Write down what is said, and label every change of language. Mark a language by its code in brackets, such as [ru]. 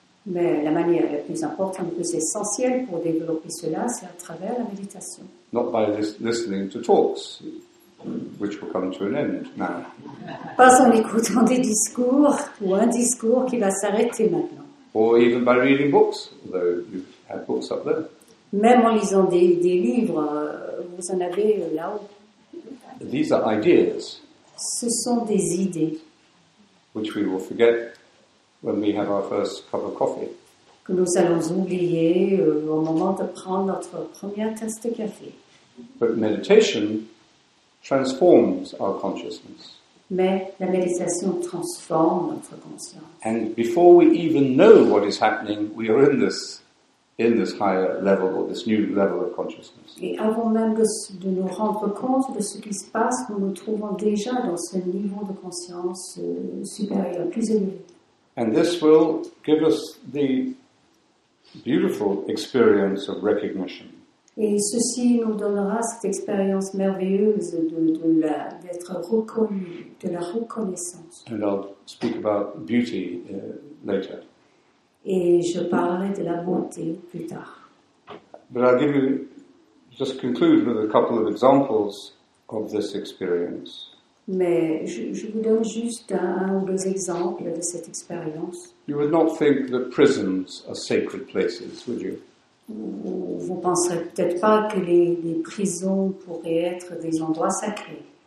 [fr] Mais la manière la plus importante, la plus essentielle pour développer cela, c'est à travers la méditation. [en] Not by listening to talks, which will come to an end now. [fr] Pas en écoutant des discours ou un discours qui va s'arrêter maintenant. [en] Or even by reading books, though you have books up there. [fr] Même en lisant des livres, vous en avez là-haut. [en] These are ideas. [fr] Ce sont des idées. [en] Which we will forget when we have our first cup of coffee. [fr] Que nous allons oublier au moment de prendre notre première tasse de café. [en] But meditation transforms our consciousness. [fr] Mais la méditation transforme notre conscience. [en] And before we even know what is happening, we are in this higher level, or this new level of consciousness. [fr] Et avant même de nous rendre compte de ce qui se passe, nous nous trouvons déjà dans ce niveau de conscience supérieur, plus élevé. [en] And this will give us the beautiful experience of recognition. [fr] Et ceci nous donnera cette expérience merveilleuse d'être reconnu, de la reconnaissance. [en] And I'll speak about beauty later. [fr] Et je parlerai de la beauté plus tard. [en] But I'll give you, just conclude with a couple of examples of this experience. [fr] Mais je vous donne juste un ou deux exemples de cette expérience. [en] You would not think that prisons are sacred places, would you? [fr] Vous ne penserez peut-être pas que les prisons pourraient être des endroits sacrés.